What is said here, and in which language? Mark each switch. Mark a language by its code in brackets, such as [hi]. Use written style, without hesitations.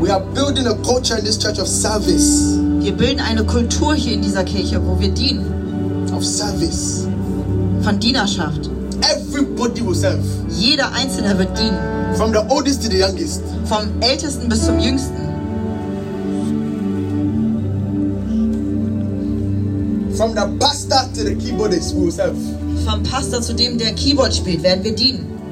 [en] We are building a culture in this church of service. [de] Wir bilden eine Kultur hier in dieser Kirche, wo wir dienen. [en] Of service. [de] Von Dienerschaft. [en] Everybody will serve. [de] Jeder Einzelne wird dienen. [en] From the oldest to the youngest. [de] Vom Ältesten bis zum Jüngsten. [en] From the pastor to the keyboardist, we will serve. [de] Vom Pastor zu dem, der Keyboard spielt, werden wir dienen.